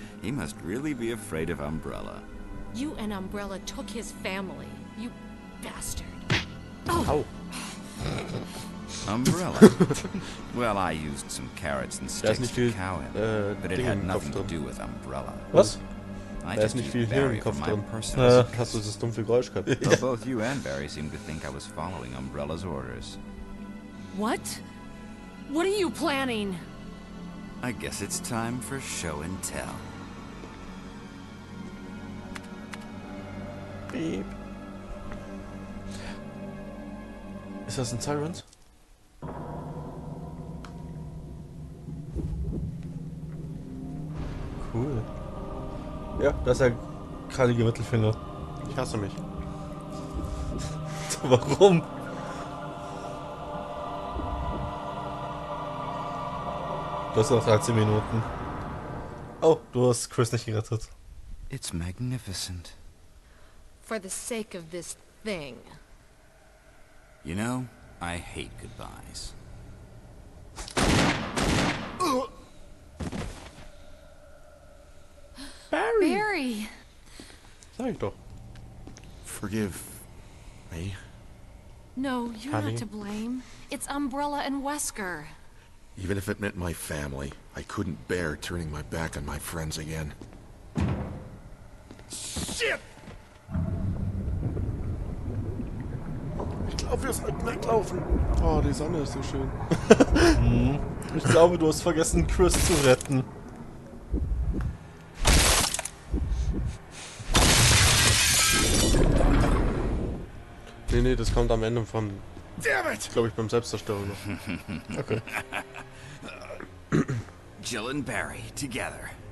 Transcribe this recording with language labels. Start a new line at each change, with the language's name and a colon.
English: He must really be afraid of Umbrella. You and Umbrella took his family, you bastard. Oh! Oh. Umbrella. Well, I used some carrots and sticks to cow him, but it had nothing to do with Umbrella.
German: Was? Da ist nicht viel Hirn im Kopf drin. Hast du das dumpfe Geräusch gehabt?
English: Yeah. Well, both you and Barry seem to think I was following Umbrella's orders. What? What are you planning? I guess it's time for show and tell. Beep.
German: Ist das ein Tyrant? Cool. Ja, das ist der krallige Mittelfinger. Ich hasse mich. Warum? Du hast noch 13 Minuten. Oh, du hast Chris nicht gerettet.
English: It's magnificent. For the sake of this thing. You know, I hate goodbyes. Barry!
German: Sag ich doch.
English: Forgive me. No, you're Honey. Not to blame. It's Umbrella and Wesker. Even if it meant my family, I couldn't bear turning my back on my friends again. Shit!
German: Ich glaube, wir sollten weglaufen. Oh, die Sonne ist so schön. Ich glaube, du hast vergessen, Chris zu retten. Nee, nee, das kommt am Ende von.
English: Damn it!
German: Glaube ich, beim Selbstzerstörung. Okay.
English: Jill and Barry together.